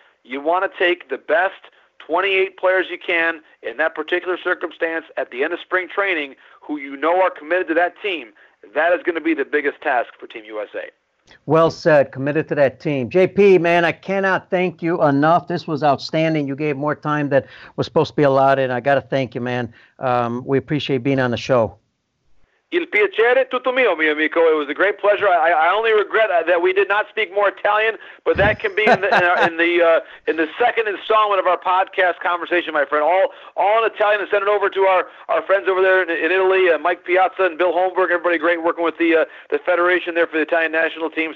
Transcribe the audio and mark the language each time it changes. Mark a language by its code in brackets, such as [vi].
[en] You want to take the best 28 players you can in that particular circumstance at the end of spring training, who you know are committed to that team. That is going to be the biggest task for Team USA. Well said, committed to that team. JP, man, I cannot thank you enough. This was outstanding. You gave more time than was supposed to be allotted, and I got to thank you, man. We appreciate being on the show. [it] Il piacere tutto mio, mio amico. [en] It was a great pleasure. I only regret that we did not speak more Italian, but that can be in the second installment of our podcast conversation, my friend. All in Italian, and send it over to our friends over there in Italy, Mike Piazza and Bill Holmberg. Everybody great working with the federation there for the Italian national team.